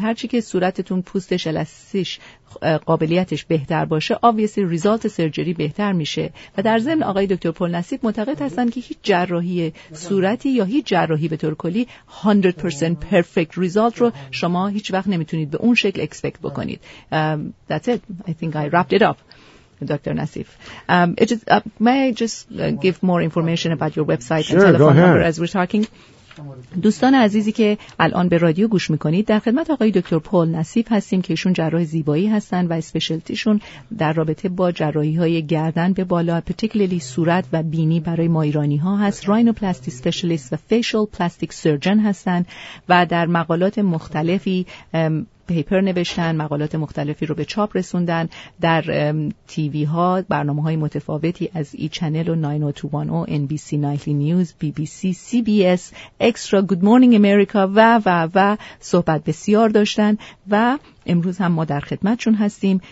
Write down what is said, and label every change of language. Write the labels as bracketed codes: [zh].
[fa] هرچی که صورتتون پوستش الاستیش قابلیتش بهتر باشه [en] obviously result [fa] سرجری بهتر میشه. و در ضمن آقای دکتر پول نصیب معتقد هستن که هیچ جراحی صورتی یا هیچ جراحی به طور کلی 100% [en] perfect result [fa] رو شما هیچ وقت نمیتونید به اون شکل [en] expect [fa] بکنید. [en] That's it. I think I wrapped it up. Dr. Nassif, may I give more information about your website sure, and telephone number as we're talking? [fa] دوستان عزیزی که الان به رادیو گوش میکنید، در خدمت آقای دکتر پول نصیب هستیم که ایشون جراح زیبایی هستن و اسپشیالتیشون در رابطه با جراحی های گردن به بالا پرتیکولرلی صورت و بینی برای ما ایرانی ها هست. راینوپلاستی اسپشیالیست و فیشل پلاستیک سرجن هستن و در مقالات مختلفی پیپر نوشتن، مقالات مختلفی رو به چاپ رسوندن، در تیوی ها برنامه های متفاوتی از ای چنل و 90210، NBC Nightly News، BBC، CBS، Extra، Good Morning America و و و صحبت بسیار داشتن و امروز هم ما در خدمتشون هستیم.